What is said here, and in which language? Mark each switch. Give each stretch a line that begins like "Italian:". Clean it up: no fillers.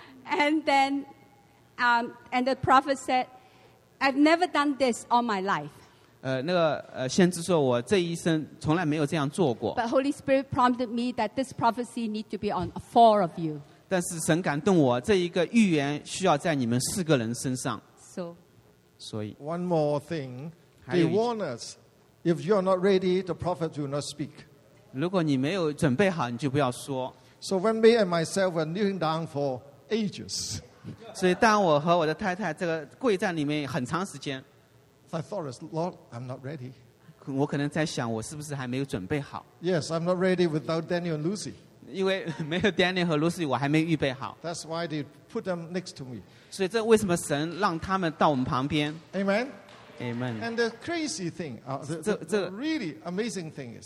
English: And then, and the prophet said, I've never done this all my life.
Chinese: 那个先知说，我这一生从来没有这样做过。
English: But Holy Spirit prompted me that this prophecy need to be on 4 of you.
Chinese: 但是神感动我，这一个预言需要在你们四个人身上。
English: So, one more thing, they warn us: if you are not ready, the prophet will not speak.
Chinese: 如果你没有准备好，你就不要说。
English: So when me and myself were kneeling down for ages.
Chinese: 所以当我和我的太太这个跪在里面很长时间
English: I thought, Lord, I'm not ready.
Chinese: 我可能在想我是不是还没有准备好
English: Yes, I'm not ready without Daniel and Lucy. That's why they put them next to me. Amen. Amen. And the crazy thing, the really amazing thing is,